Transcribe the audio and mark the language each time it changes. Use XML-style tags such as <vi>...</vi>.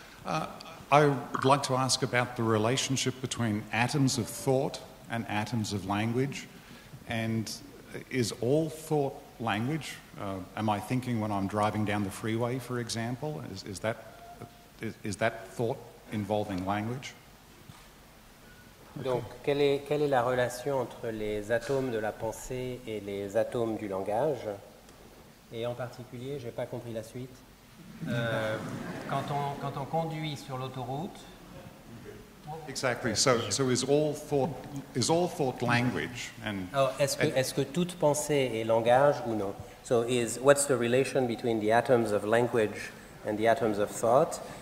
<en>I would like to ask about the relationship between atoms of thought and atoms of language. And is all thought language? Am I thinking when I'm driving down the freeway, for example? Is that thought involving language?</en> <fr>Donc, quelle est la relation entre les atomes de la pensée et les atomes du langage? Et en particulier, j'ai pas compris la suite. Quand on conduit sur l'autoroute.</fr> <en>Exactly. So is all thought language? And</en> <fr>oh, est-ce que toute pensée est langage ou non?</fr> <en>So is what's the relation between the atoms of language and the atoms of thought?</en>